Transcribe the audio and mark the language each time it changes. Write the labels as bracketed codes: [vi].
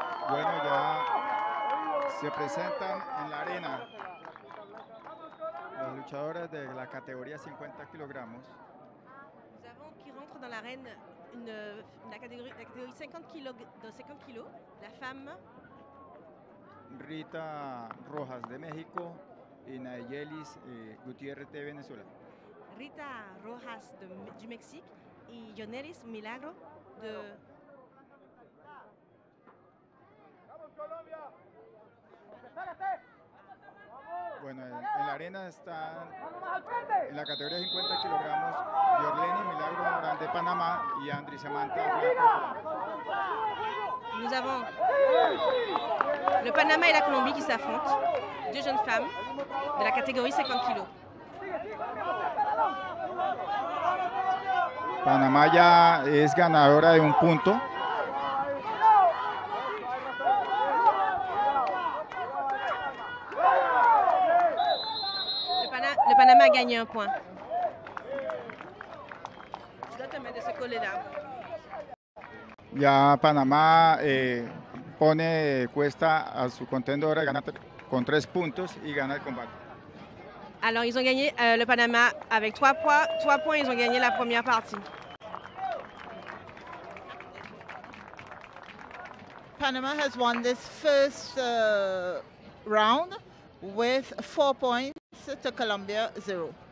[es] Bueno, ya se presentan en la arena los luchadores de la categoría 50 kilogramos. [fr] Nous avons qui rentre dans l'arène la catégorie 50 kilos, la femme. [es] Rita Rojas de México y Nayelis Gutiérrez de Venezuela. [fr] Rita Rojas du Mexique y Yonelis Milagro de... [es] ¡Vamos, Colombia! Bueno, en la arena está en la categoría de 50 kilogramos Yorleni Milagro Morán de Panamá y Andri Samantha. [fr] Nous avons le Panama et la Colombie qui s'affrontent, deux jeunes femmes de la catégorie 50 kilos. [es] Panamá ya es ganadora de un punto. [fr] Le Panama a gagné un point. Je dois te mettre de ce côté-là. [es] Ya Panamá pone cuesta a su contendora con 3 puntos y gana el combate. [fr] Alors ils ont gagné le Panama avec 3 points, ils ont gagné la première partie. [en] Panama has won this first round with 4 points to Colombia 0.